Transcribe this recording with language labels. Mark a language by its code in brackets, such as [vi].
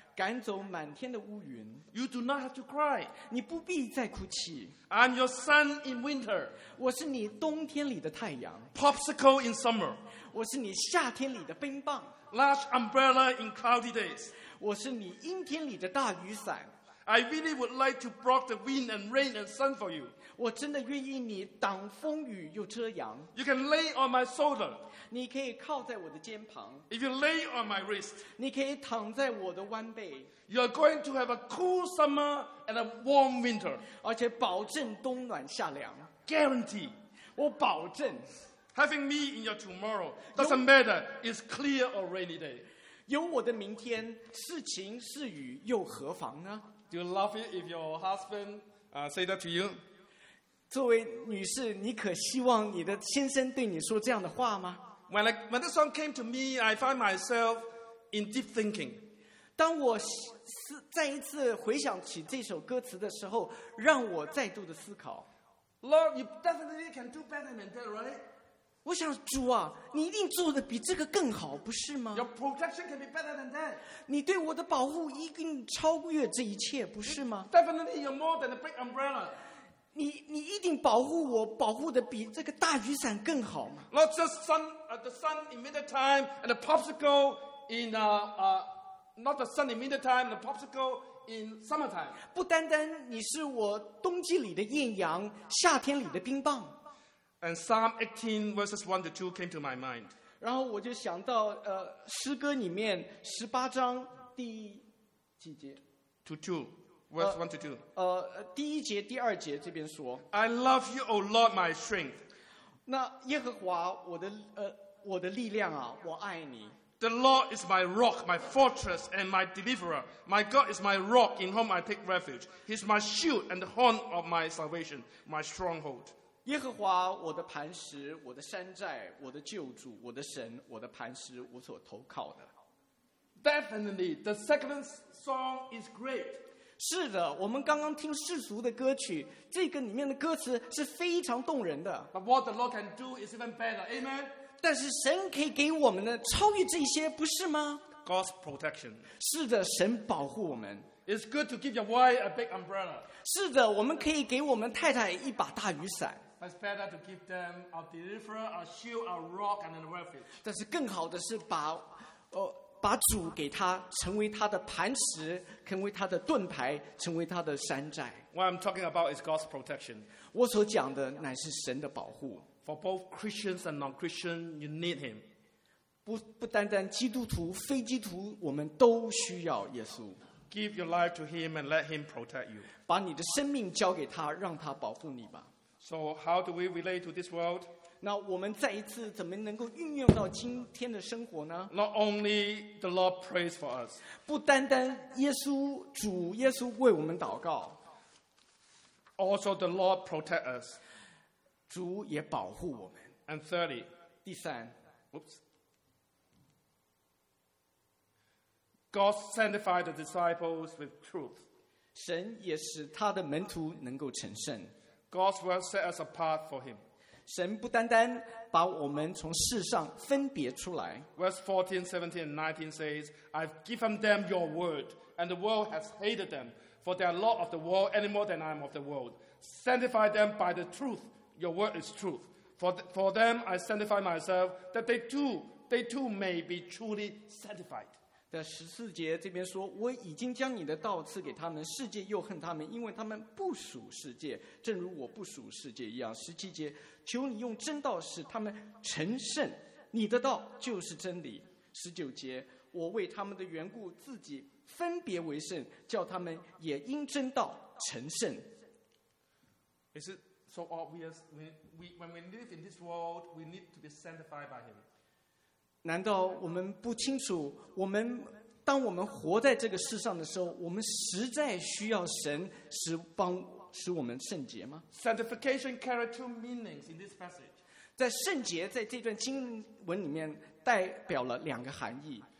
[zh] 赶走满天的乌云。 [en] You do not have to cry. [zh] 你不必再哭泣。 [en] I'm your sun in winter. [zh] 我是你冬天里的太阳。 [en] Popsicle in summer. [zh] 我是你夏天里的冰棒。 [en] Large umbrella in cloudy days. [zh] 我是你阴天里的大雨伞。 [en] I really would like to block the wind and rain and sun for you. [zh] 我真的愿意你挡风雨又遮阳。 [en] You can lay on my shoulder. [zh] 你可以靠在我的肩旁。 [en] If you lay on my wrist. [zh] 你可以躺在我的弯背。 [en] You are going to have a cool summer and a warm winter. [zh] 而且保证冬暖夏凉。 [en] Guarantee. [zh] 我保证。 [en] Having me in your tomorrow doesn't matter. It's clear or rainy day. [zh] 有我的明天，是晴是雨又何妨呢？ [en] Do you love it if your husband say that to you? [zh] 作为女士，你可希望你的先生对你说这样的话吗？ [en] When the song came to me, I find myself in deep thinking. [zh] 当我再一次回想起这首歌词的时候，让我再度的思考。 [en] Lord, you definitely can do better than that, right? [zh] 我想主啊，你一定做的比这个更好，不是吗？ [en] Your protection can be better than that. [zh] 你对我的保护一定超越这一切，不是吗？ [en] Definitely, you're more than a big umbrella. [zh] 你一定保护我，保护的比这个大雨伞更好吗？ [en] Not just sun, the sun in winter time and the popsicle in not the sun in winter time, the popsicle in summertime. [zh] 不单单你是我冬季里的艳阳，夏天里的冰棒。 [en] And Psalm 18 verses 1 to 2 came to my mind. [zh] 然后我就想到诗歌里面十八章第几节 [en] ？To two, verses 1 to 2. [zh] 第一节、第二节这边说。 [en] I love you, O Lord, my strength. [zh] 那耶和华我的力量啊，我爱你。 [en] The Lord is my rock, my fortress, and my deliverer. My God is my rock in whom I take refuge. He's my shield and the horn of my salvation, my stronghold. [zh] 耶和华我的磐石我的山寨我的救主我的神我的磐石我所投靠的 [en] Definitely the second song is great [zh] 是的我们刚刚听世俗的歌曲这个里面的歌词是非常动人的 [en] But what the Lord can do is even better Amen [zh] 但是神可以给我们的超越这些不是吗 [en] God's protection [zh] 是的神保护我们 [en] It's good to give your wife a big umbrella. [zh] 是的，我们可以给我们太太一把大雨伞。 [en] But it's better to give them a deliverer, a shield, a rock, and a refuge. [zh] 但是更好的是把主给他，成为他的磐石，成为他的盾牌，成为他的山寨。 [en] What I'm talking about is God's protection. [zh] 我所讲的乃是神的保护。 [en] For both Christians and non-Christian, you need him. [zh] 不单单基督徒、非基督徒，我们都需要耶稣。 [en] Give your life to him and let him protect you. [zh] 把你的生命交给他，让他保护你吧。 [en] So how do we relate to this world? [zh] 那我们再一次怎么能够运用到今天的生活呢？ [en] Not only the Lord prays for us. [zh] 不单单耶稣主耶稣为我们祷告。 [en] Also the Lord protect us. [zh] 主也保护我们。 [en] And thirdly, [zh] 第三。 [en] Oops. God sanctified the disciples with truth. [zh] 神也使他的门徒能够成圣。 [en] God's word set us apart for him. [zh] 神不单单把我们从世上分别出来。 [en] Verse 14, 17, and 19 says, I've given them your word, and the world has hated them, for they are not of the world any more than I am of the world. Sanctify them by the truth. Your word is truth. For them I sanctify myself, that they too may be truly sanctified. [zh] 十四节这边说我已经将你的道赐给他们世界又恨他们因为他们不属世界正如我不属世界一样十七节求你用真道使他们成圣你的道就是真理十九节我为他们的缘故自己分别为圣叫他们也因真道成圣 [en] Is it so obvious when we live in this world we need to be sanctified by him? [zh] 难道我们不清楚我们当我们活在这个世上的时候我们实在需要神使我们圣洁吗 [en] Sanctification carries two meanings in this passage. [zh] 在圣洁在这段经文里面代表了两个含义